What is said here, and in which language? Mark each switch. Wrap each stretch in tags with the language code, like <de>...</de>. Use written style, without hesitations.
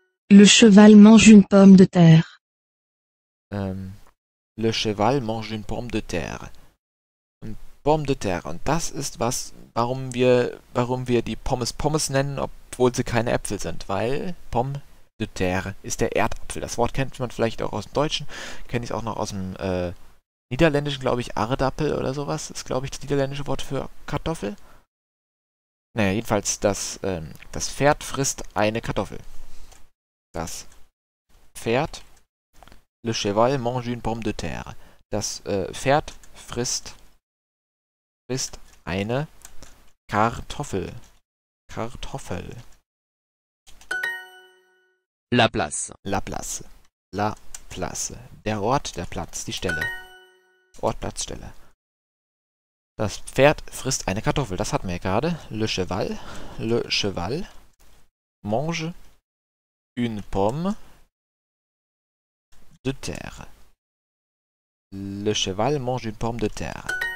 <fr>Le cheval mange une pomme de terre. Le cheval mange une pomme de terre. Une pomme de terre.</fr> <de>Und das ist was, warum wir die Pommes Pommes nennen, obwohl sie keine Äpfel sind. Weil Pomme de terre ist der Erdapfel. Das Wort kennt man vielleicht auch aus dem Deutschen. Kenne ich auch noch aus dem Niederländischen, glaube ich, Aardappel oder sowas. Ist, glaube ich, das niederländische Wort für Kartoffel. Naja, jedenfalls, das Pferd frisst eine Kartoffel. Das Pferd.</de> <fr>Le cheval mange une pomme de terre.</fr> <de>Das Pferd frisst eine Kartoffel. Kartoffel.</de> <fr>La place. La place. La place.</fr> <de>Der Ort, der Platz, die Stelle. Ort, Platz, Stelle. Das Pferd frisst eine Kartoffel. Das hatten wir ja gerade.</de> <fr>Le cheval mange une pomme de terre. Le cheval mange une pomme de terre.</fr>